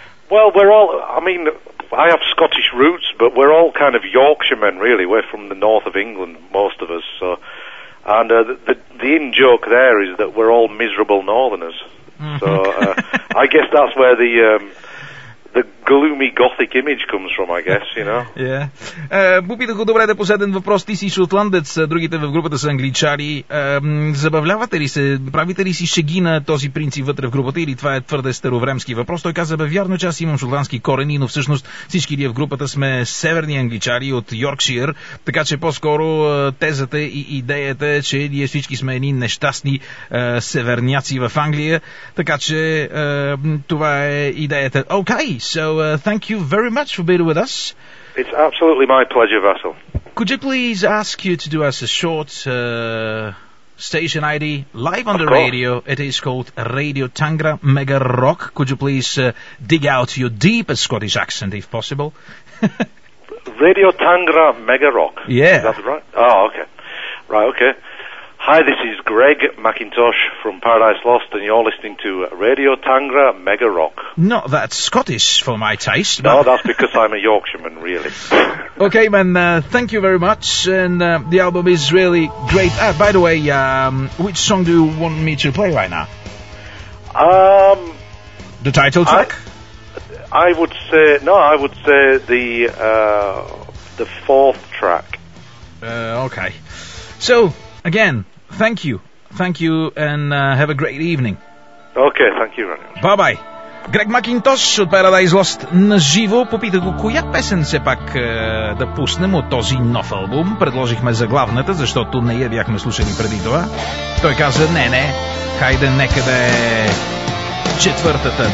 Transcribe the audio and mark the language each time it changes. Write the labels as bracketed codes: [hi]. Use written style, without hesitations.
[en] Well, I have Scottish roots, but we're all kind of Yorkshiremen, really. We're from the north of England, most of us. So, and the in-joke there is that we're all miserable northerners. So I guess that's where the gloomy gothic image comes from, I guess, you know. Yeah. [bg] Попитах добре да последен въпрос. Ти си шотландец, другите в групата са англичари. Забавлявате ли се, правите ли си шеги на този принцип вътре в групата или това е твърде старовремски въпрос? Той каза, бе, вярно, че аз имам шотландски корени, но всъщност всички ние в групата сме северни англичари от Йоркшир, така че по-скоро тезата и идеята е, че ние всички сме едни нещастни северняци в Англия, така че това е идеята. [en] Okay, so thank you very much for being with us. It's absolutely my pleasure, Vassal. Could you please ask you to do us a short station ID live on of the course. Radio? It is called Radio Tangra Mega Rock. Could you please dig out your deepest Scottish accent, if possible? Radio Tangra Mega Rock? Yeah. Is that right? Oh, okay. Right, okay. Hi, this is Greg McIntosh from Paradise Lost, and you're listening to Radio Tangra Mega Rock. Not that Scottish for my taste. No, that's because I'm a Yorkshireman, really. Okay, man, thank you very much, and the album is really great. By the way, which song do you want me to play right now? The title track? I would say the fourth track. Okay. So, again, thank you. Thank you, and have a great evening. Okay, thank you, Ronnie. Bye-bye. [bg] Грег Макинтош от Paradise Lost на живо. Попита го коя песен все пак да пуснем от този нов албум. Предложихме заглавната, защото не я бяхме слушали преди това. Той каза, не, хайде некъде четвъртата.